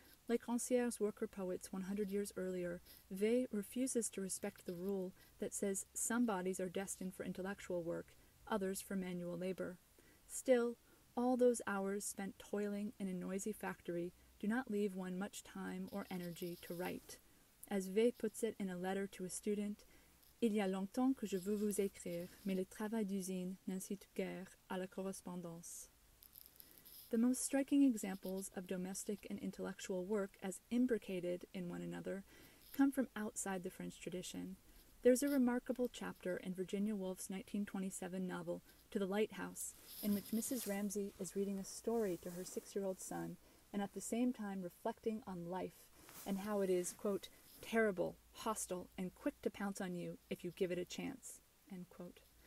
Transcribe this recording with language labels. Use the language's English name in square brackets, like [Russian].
[English] Like Rancière's worker poets 100 years earlier, Weil refuses to respect the rule that says some bodies are destined for intellectual work, others for manual labor. Still, all those hours spent toiling in a noisy factory do not leave one much time or energy to write. As Weil puts it in a letter to a student, [French] Il y a longtemps que je veux vous écrire, mais le travail d'usine n'incite guère à la correspondance. [English] The most striking examples of domestic and intellectual work as imbricated in one another come from outside the French tradition. There's a remarkable chapter in Virginia Woolf's 1927 novel, To the Lighthouse, in which Mrs. Ramsay is reading a story to her six-year-old son and at the same time reflecting on life and how it is, quote, terrible, hostile, and quick to pounce on you if you give it a chance, end quote.